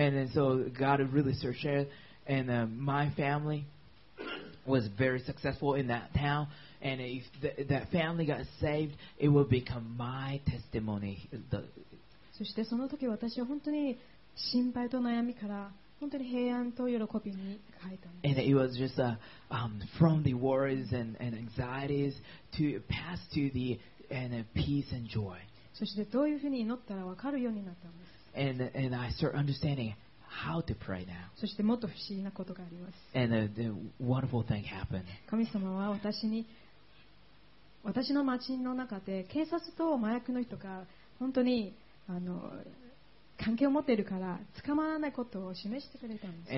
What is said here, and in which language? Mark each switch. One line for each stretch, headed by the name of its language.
English: And then so God really searched it, and my family was very successful in that town, and if that family got saved, it would become my testimony.
Japanese: そしてその時私は本当に心配と悩みから本当に平安と喜びに変えたんです。
English: And it was just from the worries and anxieties to pass to the and peace and joy.
Japanese: そしてどういうふうに祈ったら分かるようになったんです。
English: And I start understanding how to pray now.
Japanese: そしてもっと不思議なことがあります。
English: And the wonderful thing happened.
Japanese: 神様は私の町の中で警察と麻薬の人が本当に関係を持っているから捕まらないことを示してくれたんです、ね。